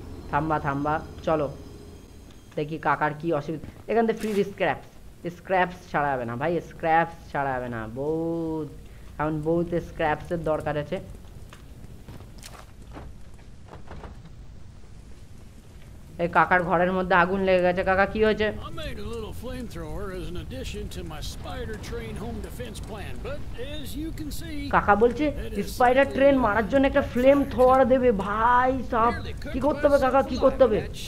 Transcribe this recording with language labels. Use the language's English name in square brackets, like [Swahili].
[Bangla] থাম্বা থাম্বা, চলো দেখি কাকার কি অসুবিধা। এখান থেকে ফ্রি স্ক্র্যাপস, স্ক্র্যাপস ছাড়া যাবে না ভাই, স্ক্র্যাপস ছাড়া যাবে না, বহুত এখন বহুত স্ক্র্যাপসের দরকার আছে। এ এই কাকার ঘরের মধ্যে আগুন লেগে গেছে কাকা কি হয়েছে [English] I made a little flamethrower as an addition to my spider train home defense plan but as you can see [Bangla] কাকা বলছে স্পাইডার ট্রেন মারার জন্য একটা ফ্লেমথ্রোয়ার দেবে ভাই সব কি করতে হবে কাকা কি করতে হবে